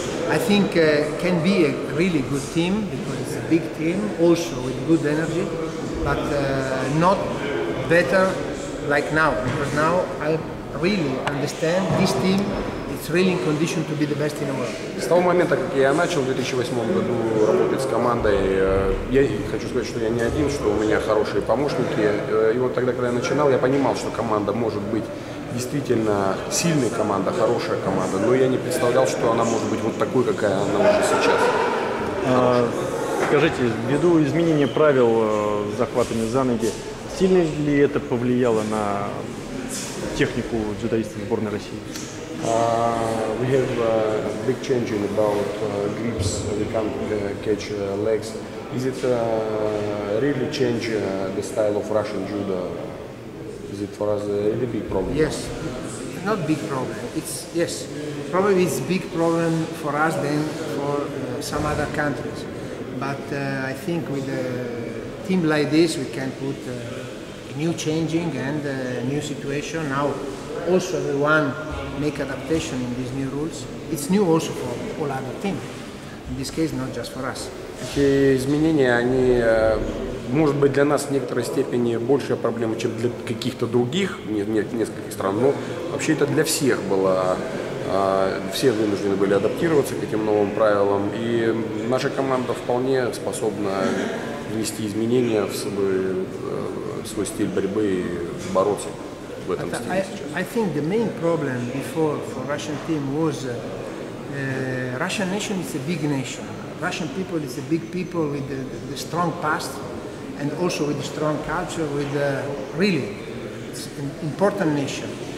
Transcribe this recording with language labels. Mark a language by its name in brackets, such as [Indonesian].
[English] I think can be a really good team because it's a big team, also with good energy, but not better like now, because now I really understand this team is really in condition to be the best in the world. [Russian] С того момента, как я начал в 2008 году работать с командой, я хочу сказать, что я не один, что у меня хорошие помощники. И вот тогда, когда я начинал, я понимал, что команда может быть действительно сильная команда, хорошая команда, но я не представлял, что она может быть вот такой, какая она уже сейчас. Скажите, ввиду изменения правил с захватами за ноги, сильно ли это повлияло на технику дзюдоистов сборной России? [English] We have a big change in about grips. We can't catch legs. Is it really change the style of Russian judo? Is it for us a really big problem? Yes, not big problem. Probably it's big problem for us than for some other countries. But I think with a team like this, we can put new changing and new situation. Now, also everyone make adaptation in these new rules. It's new also for all other teams. In this case, not just for us. [Russian] Эти изменения, они, может быть, для нас в некоторой степени большая проблема, чем для каких-то других, нескольких стран, но вообще это для всех было, все вынуждены были адаптироваться к этим новым правилам, и наша команда вполне способна внести изменения в свой стиль борьбы и бороться в этом стиле сейчас. [English] I think the main problem before for Russian team was Russian nation is a big nation. Russian people is a big people with the strong past and also with a strong culture, with a really important nation.